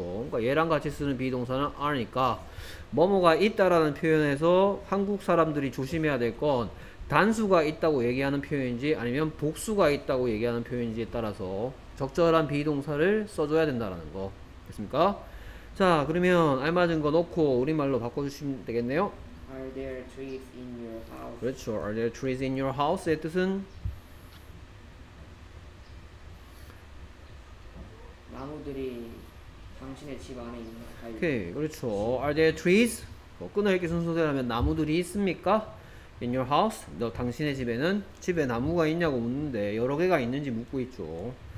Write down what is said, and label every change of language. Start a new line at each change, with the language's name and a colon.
Korean: 그러니까 얘랑 같이 쓰는 비동사는 are니까 뭐뭐가 있다라는 표현에서 한국 사람들이 조심해야 될 건 단수가 있다고 얘기하는 표현인지 아니면 복수가 있다고 얘기하는 표현인지에 따라서 적절한 비동사를 써줘야 된다라는 거. 됐습니까? 자, 그러면 알맞은 거 넣고 우리말로 바꿔주시면 되겠네요.
English: Are there trees in your house?
Korean: 그렇죠.
English: Are there trees in your house?
Korean: 의 뜻은? 나무들이 당신의 집 안에 있는가요? 오케이, 그렇죠.
English: Are there trees?
Korean: 뭐 끊어읽기 순서대로라면 나무들이 있습니까?
English: In your house?
Korean: 너 당신의 집에는? 집에 나무가 있냐고 묻는데 여러 개가 있는지 묻고 있죠.